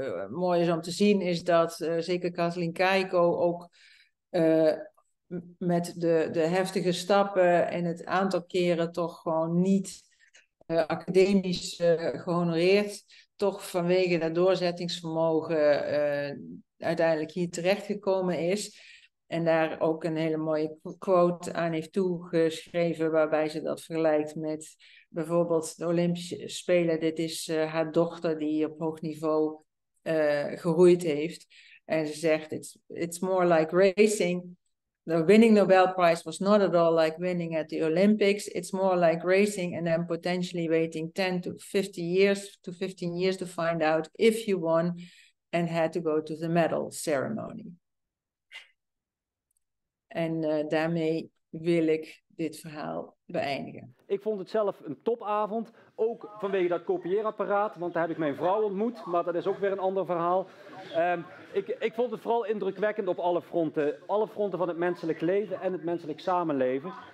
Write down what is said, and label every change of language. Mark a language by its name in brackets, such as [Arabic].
[Dutch] Mooi is om te zien is dat zeker Kathleen Carico ook met de heftige stappen en het aantal keren toch gewoon niet academisch gehonoreerd, toch vanwege dat doorzettingsvermogen uiteindelijk hier terechtgekomen is. En daar ook een hele mooie quote aan heeft toegeschreven, waarbij ze dat vergelijkt met bijvoorbeeld de Olympische Spelen. Dit is haar dochter die op hoog niveau geroeid heeft. En ze zegt: [English] it's more like racing. The winning Nobel Prize was not at all like winning at the Olympics. It's more like racing and then potentially waiting 10 to 50 years to 15 years to find out if you won and had to go to the medal ceremony. [Dutch] En daarmee wil ik dit verhaal beëindigen. Ik vond het zelf een topavond, ook vanwege dat kopieerapparaat, want daar heb ik mijn vrouw ontmoet, maar dat is ook weer een ander verhaal. Ik vond het vooral indrukwekkend op alle fronten van het menselijk leven en het menselijk samenleven.